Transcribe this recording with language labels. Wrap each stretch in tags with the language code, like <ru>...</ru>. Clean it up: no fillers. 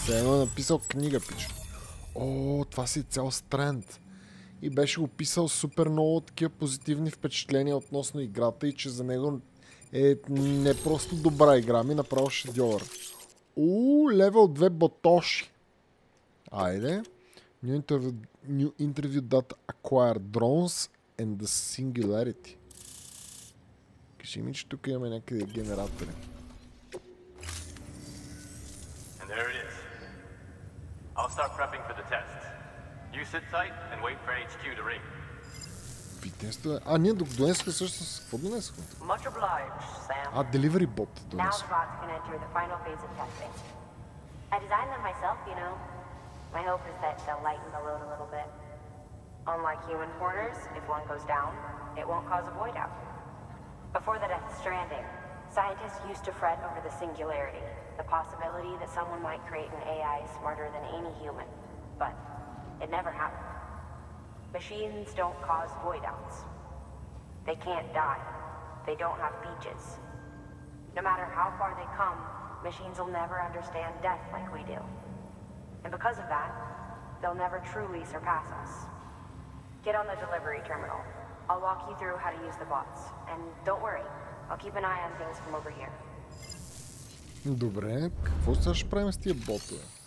<bg>Сега едно е написал книга пич. О, това си цял странт. И беше описал супер много такива позитивни впечатления относно играта и че за него е не просто добра игра, ми направо шедьовър. Уу, левел 2 ботоши. Айде.</bg> <en>New interview that acquired drones and the singularity.</en> <bg>Кажи ми, че тук имаме някакви генератори.</bg> <en>And there it is. I'll start prepping for the test. You sit tight and wait for HQ to ring.</en> <bg>Питенство е... А, ние донесохме също с... Какво донесохме?</bg> <en>Much obliged, Sam.</en> <bg>А, delivery bot донесохме.</bg> <en>Now the bots can enter the final phase of testing. I designed them myself, you know. My hope is that they'll lighten the load a little bit. Unlike human porters, if one goes down, it won't cause a void out. Before the Death Stranding, scientists used to fret over the singularity. The possibility that someone might create an AI smarter than any human. But it never happened. Machines don't cause void outs. They can't die. They don't have beaches. No matter how far they come, machines will never understand death like we do. And because of that, they'll never truly surpass us. Get on the delivery terminal. I'll walk you through how to use the bots. And don't worry, I'll keep an eye on things from over here.</en> <bg>Добре, какво сега ще правим с тия ботове?</bg>